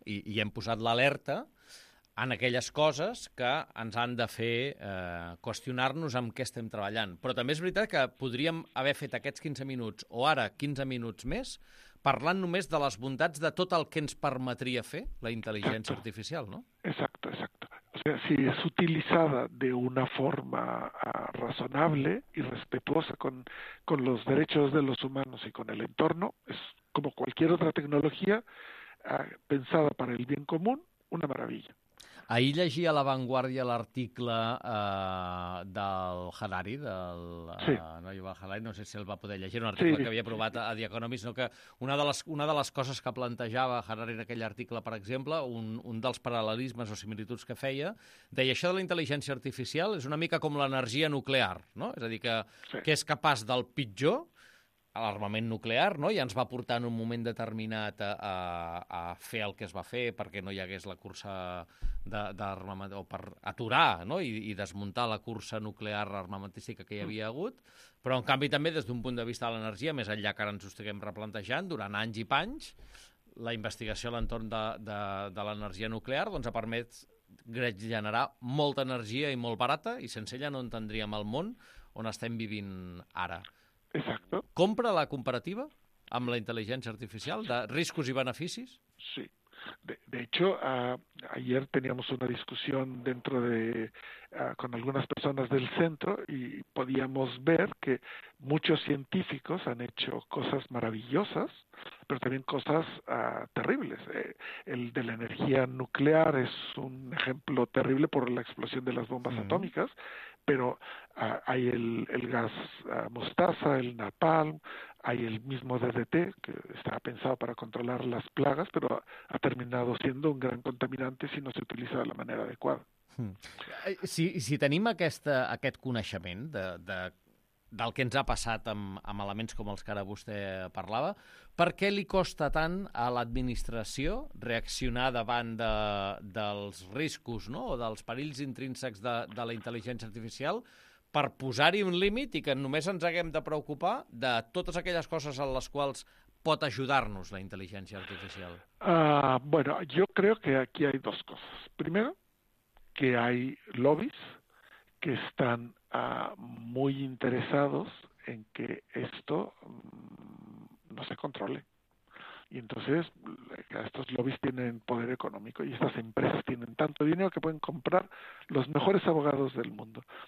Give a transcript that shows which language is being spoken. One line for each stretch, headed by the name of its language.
Catalan: I hem posat l'alerta en aquelles coses que ens han de fer qüestionar-nos amb què estem treballant. Però també és veritat que podríem haver fet aquests 15 minuts o ara 15 minuts més parlant només de les bondats de tot el que ens permetria fer la intel·ligència artificial, no? Exacte, exacte.
Spanish: O sea, si es utilizada de una forma razonable y respetuosa con los derechos de los humanos y con el entorno, es como cualquier otra tecnología pensada para el bien común, una maravilla.
Catalan: Ahir llegia a La Vanguardia l'article del Harari, del Yuval Harari, no sé si el va poder llegir, un article que havia aprovat a The Economist, no? Que una de les coses que plantejava Harari en aquell article, per exemple, un dels paral·lelismes o similituds que feia, deia això de la intel·ligència artificial és una mica com l'energia nuclear, no? És a dir, que és capaç del pitjor, l'armament nuclear, no? Ja ens va portar en un moment determinat a fer el que es va fer perquè no hi hagués la cursa d'armament, o per aturar, no? I desmuntar la cursa nuclear armamentística que hi havia hagut, però en canvi també des d'un punt de vista de l'energia, més enllà que ara ens ho estiguem replantejant, durant anys i panys, la investigació a l'entorn de l'energia nuclear doncs ha permès generar molta energia i molt barata, i sense ella no entendríem el món on estem vivint ara.
Spanish: Exacto.
Catalan: ¿Compra la comparativa amb la intel·ligència artificial de riscos i beneficis?
Spanish: Sí. De hecho, ayer teníamos una discusión dentro de con algunas personas del centro y podíamos ver que muchos científicos han hecho cosas maravillosas, pero también cosas terribles. El de la energía nuclear es un ejemplo terrible por la explosión de las bombas atómicas, pero hay el gas mostaza, el napalm, hay el mismo DDT, que estaba pensado para controlar las plagas, pero ha terminado siendo un gran contaminante si no se utiliza de la manera adecuada.
Catalan: Si tenim aquest coneixement del que ens ha passat amb elements com els que ara vostè parlava, per què li costa tant a l'administració reaccionar davant dels riscos, no?, o dels perills intrínsecs de la intel·ligència artificial per posar-hi un límit i que només ens haguem de preocupar de totes aquelles coses en les quals pot ajudar-nos la intel·ligència artificial?
Spanish: Bueno, yo creo que aquí hay dos cosas. Primero, que hay lobbies que están muy interesados en que esto no se controle. Y entonces estos lobbies tienen poder económico y estas empresas tienen tanto dinero que pueden comprar los mejores abogados del mundo.